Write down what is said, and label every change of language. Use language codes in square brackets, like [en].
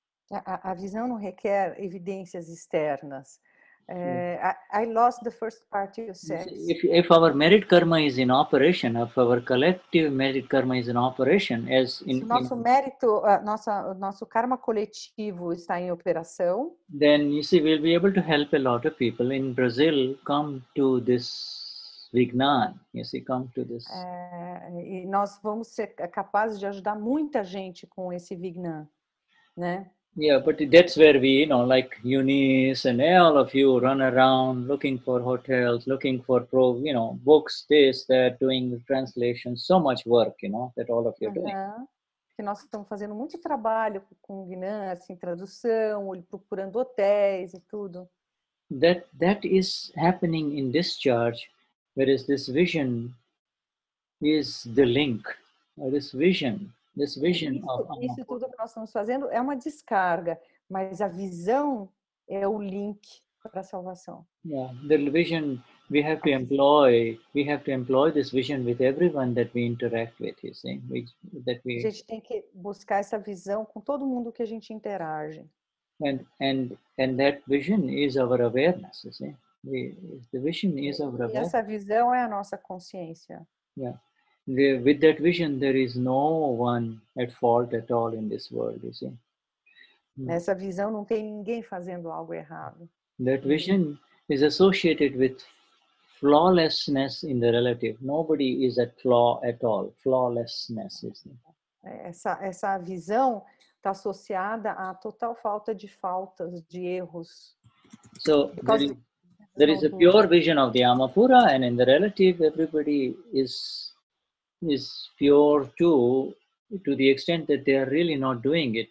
[pt] A visão não requer evidências externas. [en] I lost the first part you said. If our merit karma is in operation, if our collective merit karma is in operation, as in [pt] nosso mérito, nosso karma coletivo está em operação, [en] then you see we'll be able to help a lot of people in Brazil come to this Vignan, you see, come to this. [pt] E nós vamos ser capazes de ajudar muita gente com esse Vignan, né? [en] Yeah, but that's where we, you know, like Eunice and all of you run around looking for hotels, looking for, you know, books, this, that, doing the translation, so much work, you know, that all of you are doing. [pt] Que nós estamos fazendo muito trabalho com Vignan, assim, tradução, procurando hotéis e tudo. [en] That is happening in discharge, whereas this vision is the link, or this vision. This vision [pt] of isso tudo que nós estamos fazendo é uma descarga, mas a visão é o link para a salvação. [en] Yeah, the vision we have to employ this vision with everyone that we interact with, you see. [pt] A gente tem que buscar essa visão com todo mundo que a gente interage. [en] And that vision is our awareness, you see. The vision is our awareness. [pt] E essa visão é a nossa consciência. [en] Yeah. With that vision, there is no one at fault at all in this world, you see. [pt] Nessa visão, não tem ninguém fazendo algo errado. [en] That vision is associated with flawlessness in the relative. Nobody is at flaw at all. Flawlessness, you see. [pt] Essa visão está associada à total falta de faltas, de erros. [en] So, there is a pure vision of the Amapura, and in the relative, everybody is pure to the extent that they are really not doing it.